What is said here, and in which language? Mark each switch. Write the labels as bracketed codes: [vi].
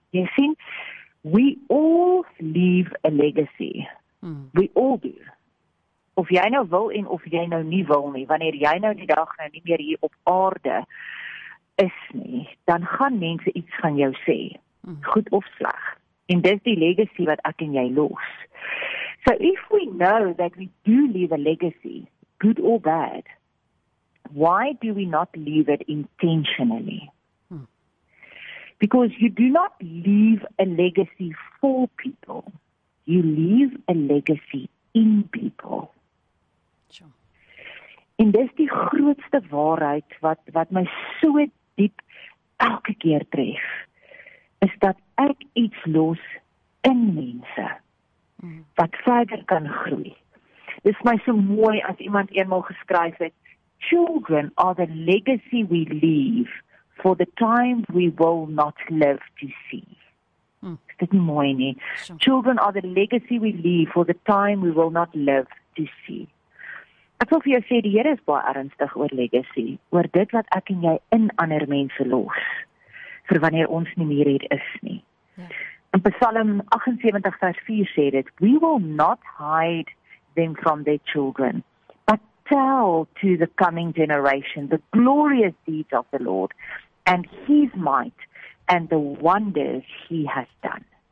[af] Jy sien, [en] we all leave a legacy. Hmm. We all do. [af] Of jy nou wil en of jy nou nie wil nie, wanneer jy nou die dag nou nie meer hier op aarde is nie, dan gaan mense iets van jou sê, goed of sleg. En dis die legacy wat ek en jy los. [en] So if we know that we do leave a legacy, good or bad, why do we not leave it intentionally? Because you do not leave a legacy for people. You leave a legacy in people. Sure. [af] En dis die grootste waarheid wat my so diep elke keer tref, is dat ek iets los in mense wat verder kan groei. Dis my so mooi as iemand eenmal geskryf het, [en] children are the legacy we leave for the time we will not live to see. [af] Is dit nie mooi nie? [en] Sure. Children are the legacy we leave for the time we will not live to see. [af] Ek wil vir jou sê, die Here is baie ernstig oor legacy, oor dit wat ek en jy in ander mense los, vir wanneer ons nie meer hier is nie. [en] Yeah. In Psalm 78 [af] vers 4 sê dit, [en] we will not hide them from their children, but tell to the coming generation the glorious deeds of the Lord and His might and the wonders He has done.